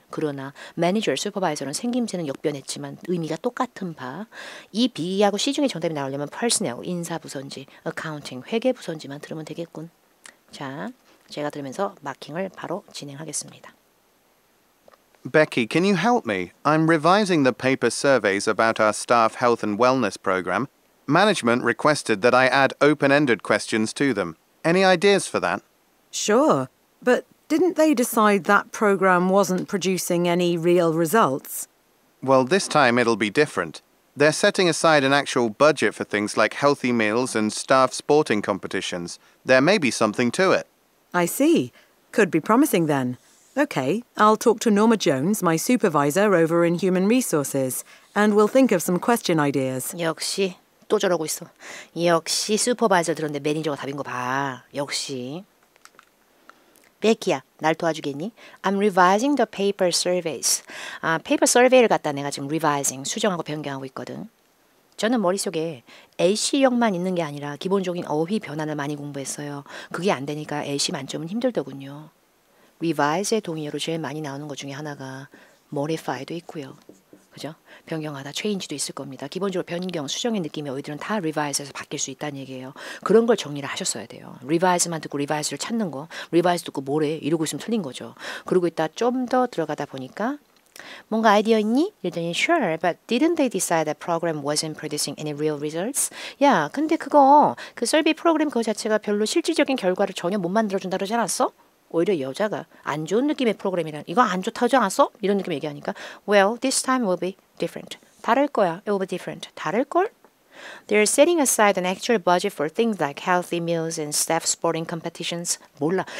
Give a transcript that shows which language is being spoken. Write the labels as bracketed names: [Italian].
[Korean] 그러나 매니저, 슈퍼바이저는 생김새는 역변했지만 의미가 똑같은 바. 이 B하고 C 중에 정답이 나오려면 personnel, 인사부서인지, accounting, 회계부서인지만 들으면 되겠군. 자, 제가 들으면서 마킹을 바로 진행하겠습니다. [English] Becky, can you help me? I'm revising the paper surveys about our staff health and wellness program. Management requested that I add open-ended questions to them. Any ideas for that? Sure, but didn't they decide that program wasn't producing any real results? Well, this time it'll be different. They're setting aside an actual budget for things like healthy meals and staff sporting competitions. There may be something to it. I see. Could be promising then. Okay, I'll talk to Norma Jones, my supervisor over in Human Resources, and we'll think of some question ideas. [Korean] 역시. 또 저러고 있어. 역시 슈퍼바이저 들었는데 매니저가 답인 거 봐. 역시. 베키야, 날 도와주겠니? [English] I'm revising the paper surveys. 아, paper survey를 [Korean] 갖다 내가 지금 [English] revising, [Korean] 수정하고 변경하고 있거든. 저는 머릿속에 AC형만 있는 게 아니라 기본적인 어휘 변환을 많이 공부했어요. 그게 안 되니까 AC 만점은 힘들더군요. revise의 동의어로 제일 많이 나오는 것 중에 하나가 modify도 있고요. 그죠? 변경하다 change도 있을 겁니다. 기본적으로 변경, 수정의 느낌이 어휘들은 다 revise에서 바뀔 수 있다는 얘기예요. 그런 걸 정리를 하셨어야 돼요. revise만 듣고 revise를 찾는 거, revise 듣고 뭐래 이러고 있으면 틀린 거죠. 그러고 있다 좀 더 들어가다 보니까 뭔가 아이디어 있니? 이랬더니 [English] sure, but didn't they decide that program wasn't producing any real results? [Korean] 야, 근데 그거, 그 survey 프로그램 그 자체가 별로 실질적인 결과를 전혀 못 만들어준다 그러지 않았어? 오히려 여자가 안 좋은 느낌의 프로그램이란 이거 안 좋다 하지 않았어? 이런 느낌 얘기하니까 [English] Well, this time will be different. [Korean] 다를 거야. [English] It will be different. [Korean] 다를걸? [English] They're setting aside an actual budget for things like healthy meals and staff sporting competitions. [Korean] 몰라.